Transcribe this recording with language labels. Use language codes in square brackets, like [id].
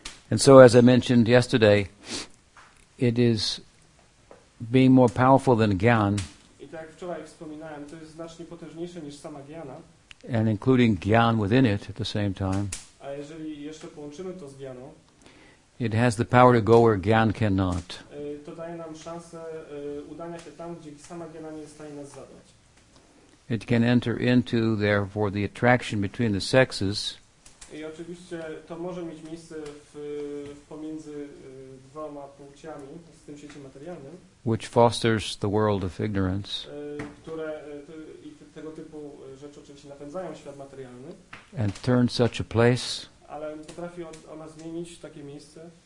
[en] And so, as I mentioned yesterday, it is being more powerful than gyan. [pl] I tak jak wczoraj wspominałem, to jest znacznie potężniejsze niż sama gyana. [en] And including gyan within it at the same time. [pl] A jeżeli jeszcze połączymy to z gyaną, [en] it has the power to go where gyan cannot. [pl] To daje nam szansę udania się tam, gdzie sama gyana nie jest w stanie nas zadać. [en] It can enter into, therefore, the attraction between the sexes. [pl] I oczywiście to może mieć miejsce w pomiędzy dwoma płciami w tym świecie materialnym, [en] which fosters the world of ignorance, [pl] które tego typu rzeczy oczywiście napędzają świat materialny, [en] and turn such a place, [pl] ale potrafi ona zmienić takie miejsce,